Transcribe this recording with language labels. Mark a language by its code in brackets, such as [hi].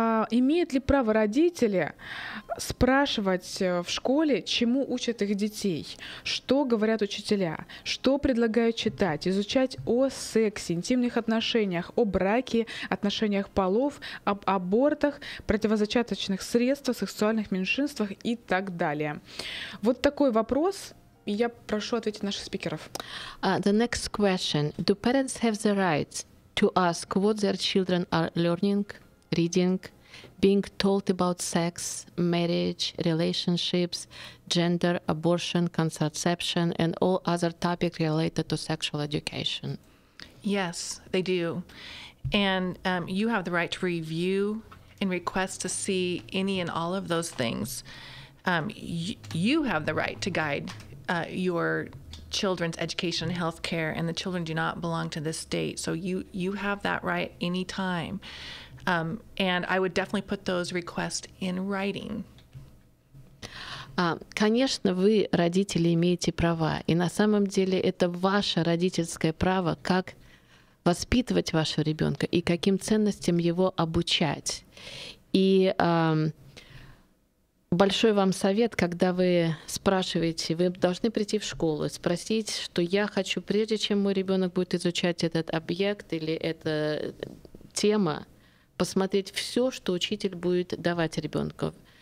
[ru] Имеют ли право родители спрашивать в школе, чему учат их детей, что говорят учителя, что предлагают читать, изучать о сексе, интимных отношениях, о браке, отношениях полов, об абортах, противозачаточных средствах, сексуальных меньшинствах и так далее. Вот такой вопрос. Я прошу ответить наших спикеров. [en] The next question. Do parents have the right to ask what their children are learning? Reading, being told about sex, marriage, relationships, gender, abortion, contraception, and all other topics related to sexual education. Yes, they do. And you have the right to review and request to see any and all of those things. You have the right to guide your children's education and health care, and the children do not belong to this state. So you have that right any time. And I would definitely put those requests in writing. [ru] Конечно, вы, родители, имеете права. И на самом деле это ваше родительское право, как воспитывать вашего ребенка и каким ценностям его обучать. И большой вам совет, когда вы спрашиваете, вы должны прийти в школу, спросить, что я хочу, прежде чем мой ребенок будет изучать этот объект или эта тема, посмотреть все, что учитель будет давать ребенку.